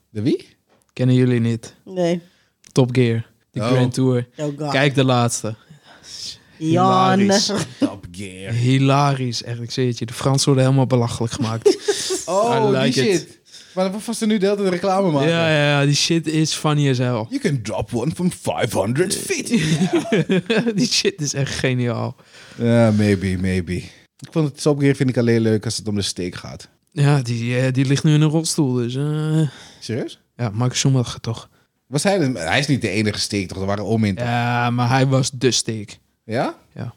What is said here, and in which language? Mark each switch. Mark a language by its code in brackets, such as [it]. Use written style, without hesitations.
[nl] De wie? Kennen jullie niet? Nee. Top Gear, de Grand Tour. [en] Oh God. [nl] Kijk de laatste. Jan. Hilarisch. Hilarisch, echt. Ik zeg het je. De Fransen worden helemaal belachelijk gemaakt. [en] Oh, like [nl] die shit. Maar wat was er nu de hele tijd reclame maken? Ja, die shit is [en] funny as hell. You can drop one from 500 feet. [nl] Die shit is echt geniaal. Ja, maybe. Ik vond het Top Gear vind ik alleen leuk als het om de steek gaat. Ja, die ligt nu in een rolstoel, dus... Serieus? Ja, Michael Schumacher toch. Was hij is niet de enige steek, toch? Er waren om in. Ja, maar hij was de steek. Ja? Ja.